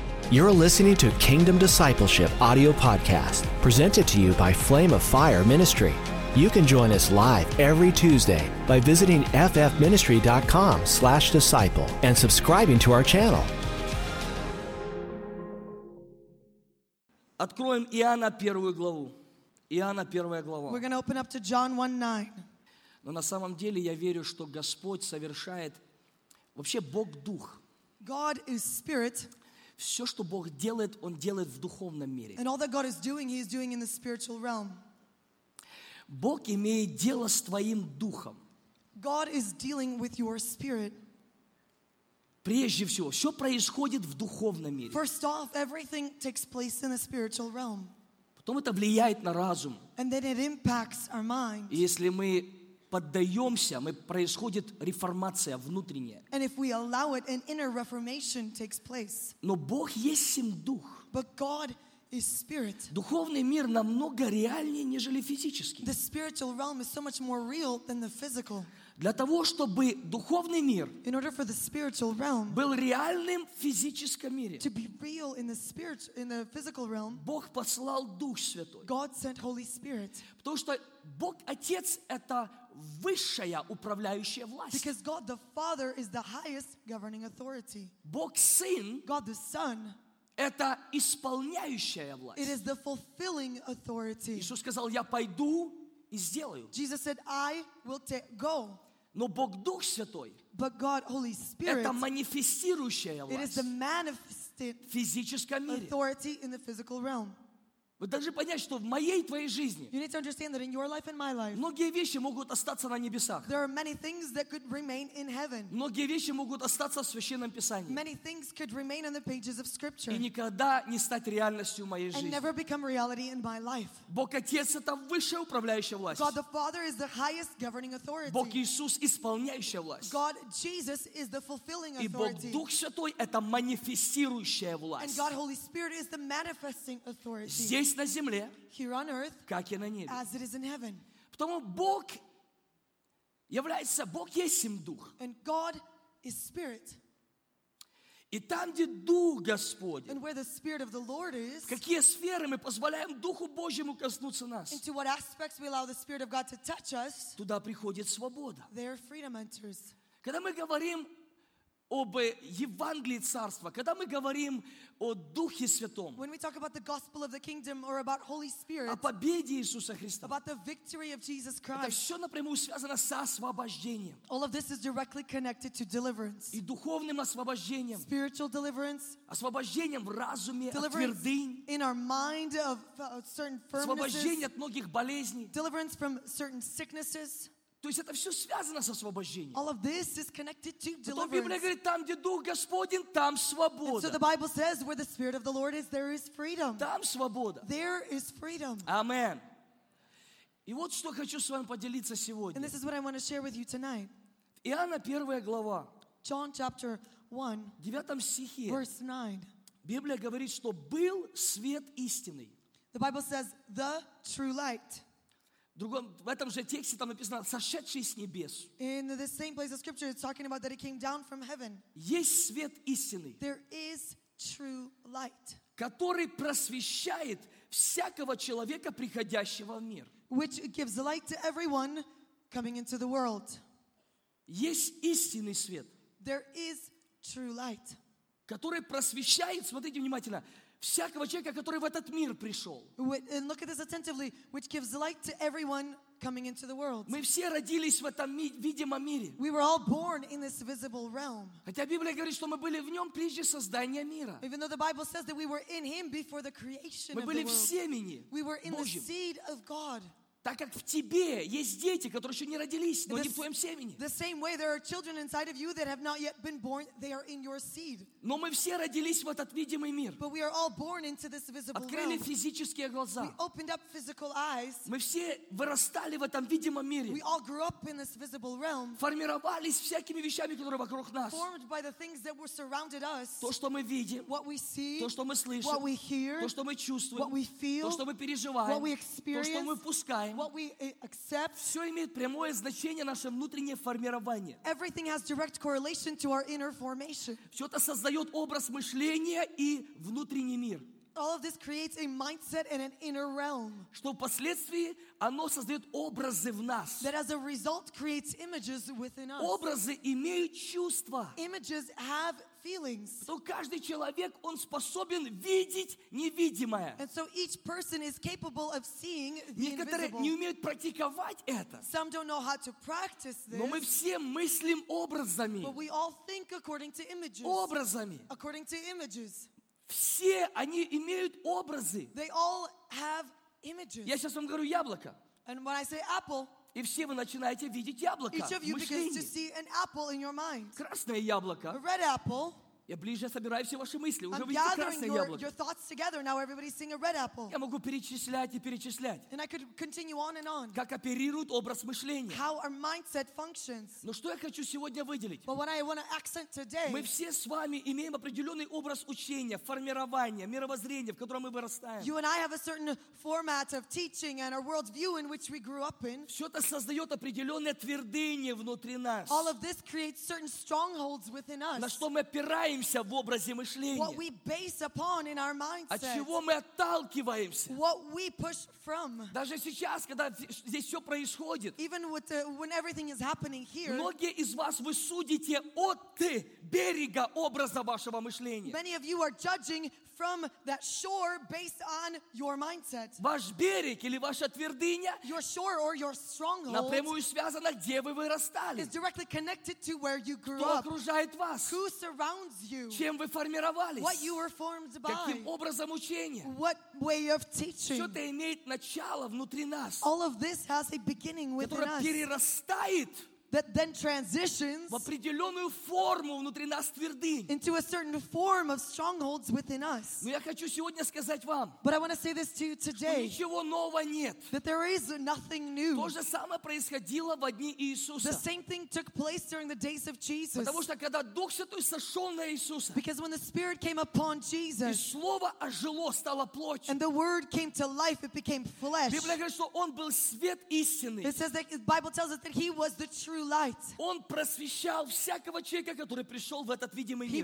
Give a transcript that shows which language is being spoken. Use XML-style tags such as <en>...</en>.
<en>You're listening to Kingdom Discipleship Audio Podcast, presented to you by Flame of Fire Ministry. You can join us live every Tuesday by visiting ffministry.com/disciple and subscribing to our channel.</en> <ru>Откроем Иоанна первую главу. Иоанна первая глава.</ru> <en>We're going to open up to John 1:9.</en> <ru>Но на самом деле я верю, что Господь совершает вообще Бог Дух.</ru> <en>God is Spirit.</en> <ru>Все, что Бог делает, Он делает в духовном мире.</ru> <en>And all that God is doing, He is doing in the spiritual realm.</en> <ru>Бог имеет дело с твоим духом.</ru> <en>God is dealing with your spirit.</en> <ru>Прежде всего, все происходит в духовном мире.</ru> <en>First off, everything takes place in the spiritual realm.</en> <ru>Потом это влияет на разум.</ru> <en>And then it impacts our mind.</en> <ru>Если мы поддаемся, мы происходит реформация внутренняя.</ru> <en>And if we allow it, an inner reformation takes place.</en> <ru>Но Бог есть сим дух.</ru> <en>But God is spirit.</en> <ru>Духовный мир намного реальнее, нежели физический.</ru> <en>The spiritual realm is so much more real than the physical.</en> <ru>Для того, чтобы духовный мир</ru> <en>in order for the spiritual realm</en> <ru>был реальным в физическом мире,</ru> <en>to be real in the spirit, in the physical realm,</en> <ru>Бог послал Дух Святой.</ru> <en>God sent Holy Spirit.</en> <ru>Потому что Бог Отец — это высшая управляющая власть.</ru> <en>Because God the Father is the highest governing authority.</en> <ru>Бог Сын —</ru> <en>God the Son</en> <ru>— это исполняющая власть.</ru> <en>It is the fulfilling authority.</en> <ru>Иисус сказал, «Я пойду и сделаю».</ru> <en>Jesus said, I will go.</en> <ru>Но Бог Дух Святой</ru> <en>— but God, Holy Spirit,</en> <ru>это манифестирующая власть.</ru> <en>It is the manifested</en> <ru>в физическом мире.</ru> <en>Authority in the physical realm.</en> <ru>Вы должны понять, что в моей и твоей жизни многие вещи могут остаться на небесах.</ru> <en>There are many things that could remain in heaven.</en> <ru>Многие вещи могут остаться в Священном Писании.</ru> <en>Many things could remain on the pages of Scripture.</en> <ru>И никогда не стать реальностью в моей жизни.</ru> <en>And never become reality in my life.</en> <ru>Бог Отец — это высшая управляющая власть.</ru> <en>God the Father is the highest governing authority.</en> <ru>Бог Иисус — исполняющая власть.</ru> <en>God Jesus is the fulfilling authority.</en> <ru>И Бог Дух Святой — это манифестирующая власть.</ru> <en>And God Holy Spirit is the manifesting authority.</en> <ru>Здесь на земле,</ru> <en>here on earth,</en> <ru>как и на небе.</ru> <en>As it is in heaven.</en> <ru>Потому Бог является, Бог есть им Дух.</ru> <en>And God is Spirit.</en> <ru>И там, где Дух Господень,</ru> <en>and where the Spirit of the Lord is,</en> <ru>в какие сферы мы позволяем Духу Божьему коснуться нас,</ru> <en>into what aspects we allow the Spirit of God to touch us,</en> <ru>туда приходит свобода.</ru> <en>There freedom enters.</en> <ru>Когда мы говорим об Евангелии Царства, когда мы говорим о Духе Святом,</ru> <en>when we talk about the gospel of the kingdom or about Holy Spirit,</en> <ru>о победе Иисуса Христа,</ru> <en>about the victory of Jesus Christ,</en> <ru>это все напрямую связано с освобождением.</ru> <en>All of this is directly connected to deliverance.</en> <ru>И духовным освобождением.</ru> <en>Spiritual deliverance.</en> <ru>Освобождением в разуме от твердынь.</ru> <en>In our mind of certain firmnesses.</en> <ru>Освобождение от многих болезней.</ru> <en>Deliverance from certain sicknesses.</en> <ru>То есть это все связано с освобождением.</ru> <en>All of this is connected to deliverance.</en> <ru>Потом Библия говорит, там, где Дух Господень, там свобода.</ru> <en>And so the Bible says, where the Spirit of the Lord is, there is freedom.</en> <ru>Там свобода.</ru> <en>There is freedom. Amen.</en> <ru>И вот что хочу с вами поделиться сегодня.</ru> <en>And this is what I want to share with you tonight.</en> <ru>Иоанна 1 глава.</ru> <en>John chapter 1.</en> <ru>9 стихе.</ru> <en>Verse 9.</en> <ru>Библия говорит, что был свет истинный.</ru> <en>The Bible says, the true light.</en> <ru>В этом же тексте там написано «сошедший с небес».</ru> <en>In the same place of scripture, it's talking about that it came down from heaven.</en> <ru>Есть свет истины.</ru> <en>There is true light.</en> <ru>Который просвещает всякого человека, приходящего в мир.</ru> <en>Which gives light to everyone coming into the world.</en> <ru>Есть истинный свет.</ru> <en>There is true light.</en> <ru>Который просвещает, смотрите внимательно, всякого человека, который в этот мир пришел.</ru> <en>And look at this attentively, which gives light to everyone coming into the world.</en> <ru>Мы все родились в этом видимом мире.</ru> <en>We were all born in this visible realm.</en> <ru>Хотя Библия говорит, что мы были в нем прежде создания мира.</ru> <en>Even though the Bible says that we were in him before the creation of the world.</en> <ru>Мы были в семени Божьем.</ru> <en>We were in the seed of God.</en> <ru>Так как в тебе есть дети, которые еще не родились, но не в твоем семени.</ru> <en>The same way there are children inside of you that have not yet been born, they are in your seed.</en> <ru>Но мы все родились в этот видимый мир.</ru> <en>But we are all born into this visible world.</en> <ru>Открыли физические глаза.</ru> <en>We opened up physical eyes.</en> <ru>Мы все вырастали в этом видимом мире.</ru> <en>We all grew up in this visible realm.</en> <ru>Формировались всякими вещами, которые вокруг нас.</ru> <en>Formed by the things that were surrounded us.</en> <ru>То, что мы видим.</ru> <en>What we see.</en> <ru>То, что мы слышим.</ru> <en>What we hear.</en> <ru>То, что мы чувствуем.</ru> <en>What we feel.</en> <ru>То, что мы переживаем.</ru> <en>What we experience.</en> <ru>То, что мы впускаем. принимаем,</ru> <en>what we accept,</en> <ru>все имеет прямое значение наше внутреннее формирование.</ru> <en>Everything has direct correlation to our inner formation.</en> <ru>Все это создает образ мышления и внутренний мир.</ru> <en>All of this creates a mindset and an inner realm.</en> <ru>Что впоследствии оно создает образы в нас.</ru> <en>That as a result creates images within us.</en> <ru>Образы имеют чувства.</ru> <en>Images have feelings.</en> <ru>То каждый человек он способен видеть невидимое.</ru> <en>And so each person is capable of seeing the invisible.</en> <ru>Некоторые не умеют практиковать это.</ru> <en>Some don't know how to practice this.</en> <ru>Но мы все мыслим образами.</ru> <en>But we all think according to images.</en> <ru>Образами.</ru> <en>According to images.</en> <ru>Все они имеют образы.</ru> <en>They all have images.</en> <ru>Я сейчас вам говорю яблоко.</ru> <en>And when I say apple,</en> <ru>и все вы начинаете видеть яблоко.</ru> <en>Each of you begins to see an apple in your mind.</en> <ru>Красное яблоко.</ru> <en>A red apple.</en> <ru>Я ближе собираю все ваши мысли. Уже</ru> <en>I'm gathering your thoughts together. Now everybody's seeing a red apple.</en> <ru>Я могу перечислять и перечислять.</ru> <en>And I could continue on and on.</en> <ru>Как оперирует образ мышления.</ru> <en>How our mindset functions.</en> <ru>Но что я хочу сегодня выделить?</ru> <en>But what I want to accent today.</en> <ru>Мы все с вами имеем определенный образ учения, формирования, мировоззрения, в котором мы вырастаем.</ru> <en>You and I have a certain format of teaching and our worldview in which we grew up in.</en> <ru>Все это создает определенные твердыни внутри нас.</ru> <en>All of this creates certain strongholds within us.</en> <ru>На что мы опираемся? В образе мышления.</ru> <en>What we base upon in our mindset.</en> <ru>От чего мы отталкиваемся.</ru> <en>What we push from.</en> <ru>Даже сейчас, когда здесь все происходит.</ru> <en>Even with when everything is happening here.</en> <ru>Многие из вас вы судите от берега образа вашего мышления.</ru> <en>Many of you are judging from that shore based on your mindset.</en> <ru>Ваш берег или ваша твердыня.</ru> <en>Your shore or your stronghold.</en> <ru>Напрямую связано, где вы вырастали.</ru> <en>Is directly connected to where you grew</en> <ru>up. Кто окружает вас.</ru> <en>Who surrounds you,</en> <ru>чем вы формировались?</ru> <en>What you were formed by,</en> <ru>каким образом учения?</ru> <en>What way of teaching?</en> <ru>Все это имеет начало внутри нас.</ru> <en>All of this has a beginning within</en> <ru>которое</ru> <en>us.</en> <ru>Перерастает</ru> <en>that then transitions</en> <ru>в определенную форму внутри нас твердынь.</ru> <en>Into a certain form of strongholds within us.</en> <ru>Но я хочу сегодня сказать вам,</ru> <en>but I want to say this to you today,</en> <ru>что ничего нового нет.</ru> <en>That there is nothing new.</en> <ru>То же самое происходило во дни Иисуса.</ru> <en>The same thing took place during the days of Jesus.</en> <ru>Потому что когда Дух Святой сошел на Иисуса,</ru> <en>because when the Spirit came upon Jesus,</en> <ru>и Слово ожило, стало плотью,</ru> <en>and the Word came to life, it became flesh.</en> <ru>Библия говорит, что Он был свет истины.</ru> <en>It says that the Bible tells us that He was the truth. Light.</en> <ru>Он просвещал всякого человека, который пришел в этот видимый мир.</ru>